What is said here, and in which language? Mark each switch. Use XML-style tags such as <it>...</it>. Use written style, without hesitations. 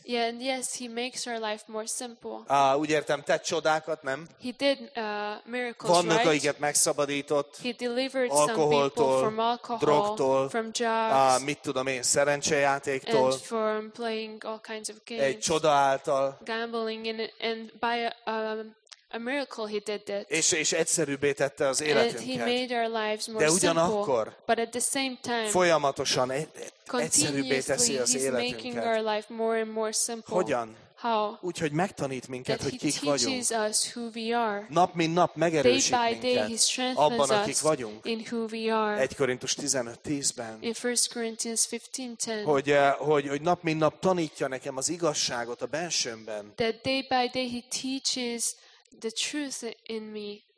<en>Yeah, and yes, he makes our life more simple.</en> <hu>Úgy értem, tett csodákat, nem?</hu> <en>He did miracles,</en> <hu>vannak,</hu> <en>right?</en> <hu>Akiket megszabadított.</hu> <en>He delivered</en> <hu>alkoholtól,</hu> <en>some people from alcohol,</en> <hu>drogtól,</hu> <en>from drugs,</en> <hu>mit tudom én, szerencsejátéktól.</hu> <en>And from playing all kinds of games.</en> <hu>Egy csoda által.</hu> <en>Gambling and by a miracle he did that.</en> <hu>És egyszerűbbé tette az életünket.</hu> <en>And he made our lives more</en> <hu>de ugyanakkor</hu> <en>simple, but at the same time,</en> <hu>folyamatosan egyszerűbbé teszi az életünket.</hu> <en>Making our life more and more simple.</en> <hu>Hogyan?</hu> <en>how.</en> <hu>Úgyhogy megtanít minket, hogy kik vagyunk.</hu> <en>He teaches us who we are.</en> <hu>Nap mint nap megerősít</hu> <en>day by day</en> <hu>minket</hu> <en>he strengthens</en> <hu>abban, akik vagyunk.</hu> <en>In who we are.</en> <hu>1 Korintus 15:10-ben.</hu> <en>In 1 Corinthians 15:10.</en> <hu>Hogy nap mint nap tanítja nekem az igazságot a bensőmben.</hu> <en>That day by day he teaches the truth in me.</en>